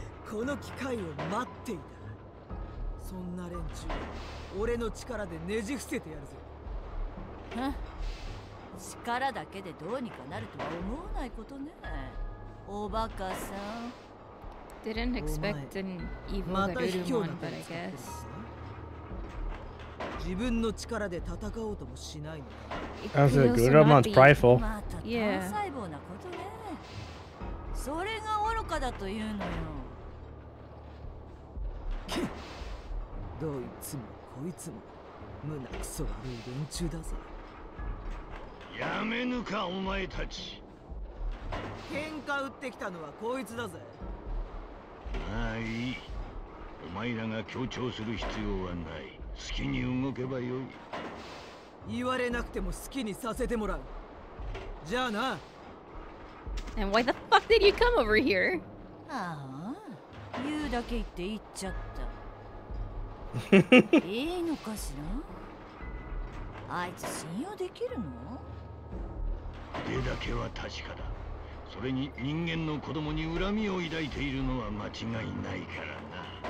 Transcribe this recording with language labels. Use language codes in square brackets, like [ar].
[ja] この機会を待っていた。そんな連中を俺の力でねじ伏せてやるぞ。ふん、力だけでどうにかなるとは思わないことね、おバカさん。 [en] Didn't expect an evil Garurumon, but I guess. [ja] 自分の力で戦おうともしないの。 [en] That's a Garurumon's prideful. [ja] また単細胞なことね。それが愚かだというのよ。どいつもこいつも胸くそ悪い連中だぞ。やめぬか、お前たち。喧嘩打ってきたのはこいつだぜ。まあいい、お前らが協調する必要はない。好きに動けばよい。言われなくても好きにさせてもらう。じゃあな。 [en] And why the fuck did you come over here? [ja] ああ、言うだけ言って言っちゃった。いいのかしら？あいつ信用できるの？手だけは確かだ。それに人間の子供に恨みを抱いているのは間違いないからな。